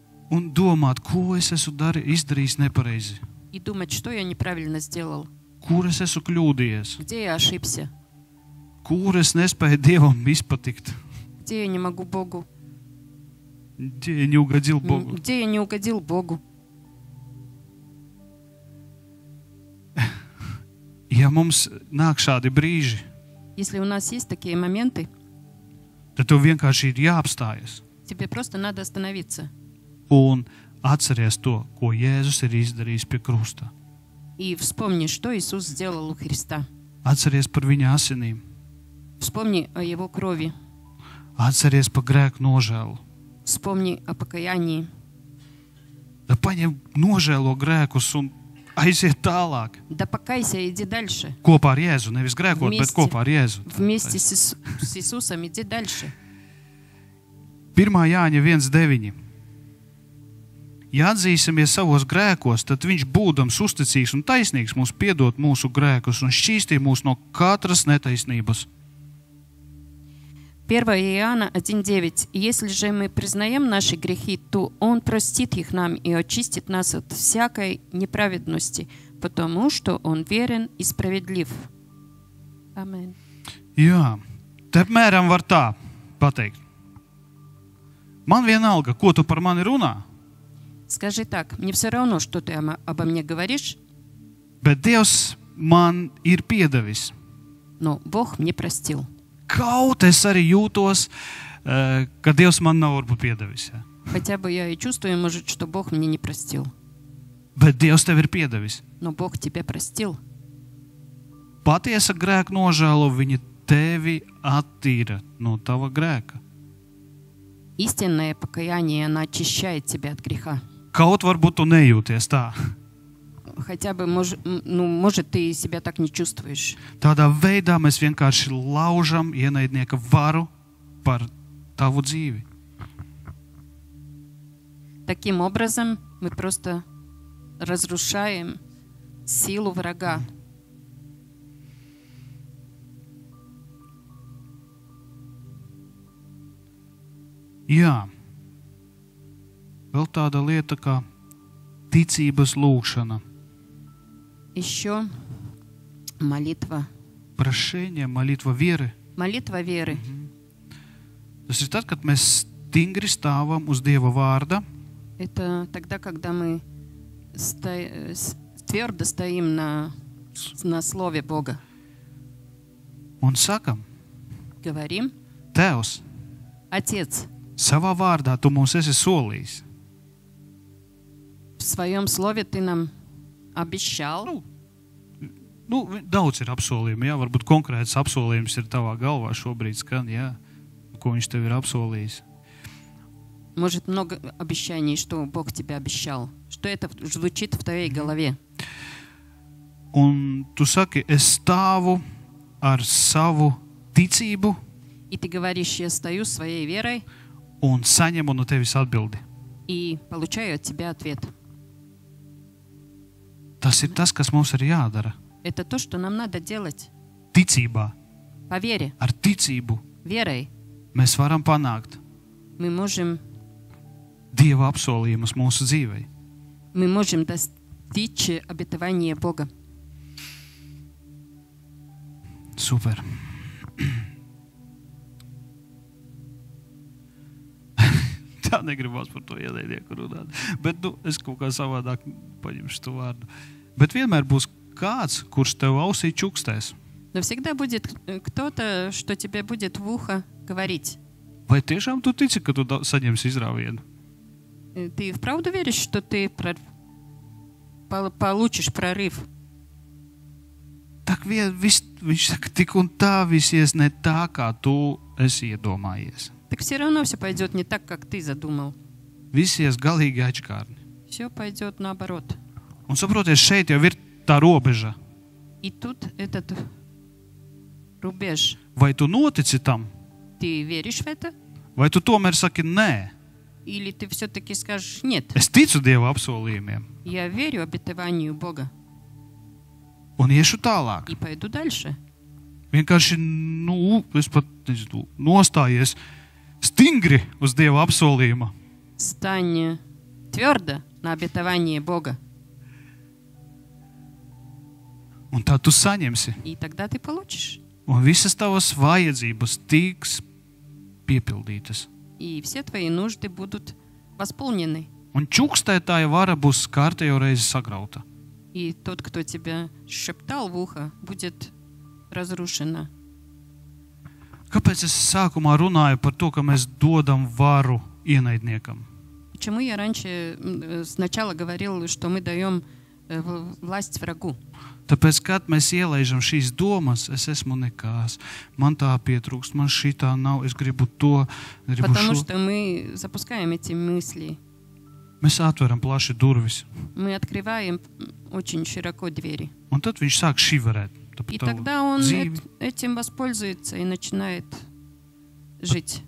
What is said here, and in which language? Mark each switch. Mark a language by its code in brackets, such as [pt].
[lv] Un domāt, ko es esmu izdarījis nepareizi. [ru] И думать, что я неправильно сделал. [lv] Kur es esmu kļūdījies? [ru] Где я ошибся? [lv] Kur es nespēju Dievam izpatikt? [ru] Где я не могу Богу? Где я не угодил Богу? Где я не угодил Богу? [lv] Ja mums nāk šādi brīži. [ru] Если у нас есть такие моменты. [lv] Tad tev vienkārši ir jāapstājas. [ru] Тебе просто надо остановиться. [lv] Un atceries to, ko Jēzus ir izdarījis pie krusta. [ru] И вспомни, что Иисус сделал у Христа. [lv] Atceries par viņa asinīm. [ru] Вспомни о его крови. [lv] Atceries par grēku nožēlu. [ru] Вспомни о покаянии. Да [lv] paņem nožēlo grēkus un aiziet tālāk. [ru] Да покайся, иди дальше. [lv] Kopā ar Jēzu, nevis grēkot, bet kopā ar Jēzu. [ru] Вместе с Иисусом иди дальше. [lv] 1. Jāņa 1:9. Ja atzīsimies savos grēkos, tad viņš būdams uzticīgs un taisnīgs mums piedot mūsu grēkus un šķīstīt mūs no katras netaisnības. 1. Jāņa 1:9. [ru] Если же мы признаем наши грехи, то он простит их нам и очистит нас от всякой неправедности, потому что он верен и справедлив. Амен. [lv] Jā, tepmēram var tā pateikt. Man vienalga, ko tu par mani runā? [ru] Скажи так, мне все равно, что ты обо мне говоришь. [lv] Bet Dievs man ir piedevis. [ru] Но Бог мне простил. [lv] Kaut es arī jūtos, ka Dievs man nav varbūt piedevis. [ru] Хотя бы я и чувствую, может, что Бог мне не простил. [lv] Bet Dievs tev ir piedevis. [ru] Но Бог тебе простил. [lv] Patiesa grēka nožēlo, viņa tevi attīra no tava grēka. [ru] Истинное покаяние, оно очищает тебя от греха. [lv] Kaut varbūt tu nejūties tā. [ru] Хотя бы, может, ты себя так не чувствуешь. [lv] Tādā veidā mēs vienkārši laužam ienaidnieka varu par tavu dzīvi. [ru] Таким образом мы просто разрушаем силу врага. [lv] Jā. Vēl tāda lieta, kā ticības lūkšana. [ru] Ещё молитва. Prašenie, molitva viery. Molitva viery. [lv] Tas ir tad, kad mēs stingri stāvam uz Dieva vārda. [ru] Это тогда, когда мы твёрдо стоим на слове Бога. [lv] Un sakam. [ru] Говорим. [lv] Tēvs. [ru] Отец. [lv] Savā vārdā tu mums esi solījis. [ru] В своём слове ты нам обещал. [lv] Nu, daudz ir apsolījumi, jā. Varbūt konkrēts apsolījums ir tavā galvā šobrīd skan, jā. Ko viņš tev ir apsolījis. [ru] Может, много обещаний, что Бог тебе обещал. Что это звучит в твоей голове? [lv] un tu saki, es stāvu ar savu ticību. [ru] И ты говоришь, я стою своей верой. [lv] Un saņemu no tevis atbildi. [ru] И получаю от тебя ответ. [lv] Tas ir tas, kas mums ir jādara. [ru] Это то, что нам надо делать. [lv] Ticībā. [ru] По вере. [lv] Ar ticību. [ru] Верой. [lv] Mēs varam panākt. [ru] Мы можем. [lv] Dieva apsolījumus mūsu dzīvei. [ru] Мы можем достичь обетования Бога. [lv] Super. Tā negribas par to iedēdieku runāt. Bet nu, es kaut kā savādāk paņemšu to vārdu. Bet vienmēr būs kāds, kurš tev ausī čukstēs. [ru] Но всегда будет кто-то, что тебе будет в ухо говорить. [lv] Vai tiešām tu tici, ka tu saņemsi izrāvienu? [ru] Ты вправду веришь, что ты получишь прорыв? Так [lv] viņš saka, tik un tā viss ies ne tā, kā tu esi iedomājies. [ru] Так все равно все пойдет не так, как ты задумал. [lv] Viss ies galīgi ačkārni. [ru] Все пойдет наоборот. [lv] Un saproties, šeit jau ir tā robeža. [ru] И тут этот рубеж. [lv] Vai tu notici tam? [ru] Ты веришь в это? [lv] Vai tu tomēr saki nē? [ru] Или ты все-таки скажешь нет? [lv] Es ticu Dieva apsolījumiem. [ru] Я верю обетованию Бога. [lv] Un iešu tālāk. [ru] И пойду дальше. [lv] Vienkārši, nu, es pat nezinu, nostājies stingri uz Dieva apsolījuma. [ru] Stani tvirda na obetovanie Boga. [lv] Un tā tu saņemsi. [ru] И тогда ты получишь. [lv] Un visas tavas vajadzības tiks piepildītas. [ru] И все твои нужды будут восполнены. [lv] Un čukstētāja vara būs kārtējo reizi sagrauta. [ru] И тот, кто тебя шептал в ухо, будет разрушена. [lv] Kāpēc es sākumā runāju par to, ka mēs dodam varu ienaidniekam? [ru] Почему я раньше сначала говорил, что мы даем власть врагу? [lv] Tāpēc, kad mēs ielaižam šīs domas, es esmu nekās. Man tā pietrūkst, man šitā nav, es gribu to, gribu [ru] Потому, [lv] šo. [ru] Что мы запускаем эти мысли. [lv] Mēs atveram plaši durvis. [ru] Мы открываем очень широко двери. [lv] Un tad viņš sāk šiverēt. [ru] И тогда он этим воспользуется и начинает жить.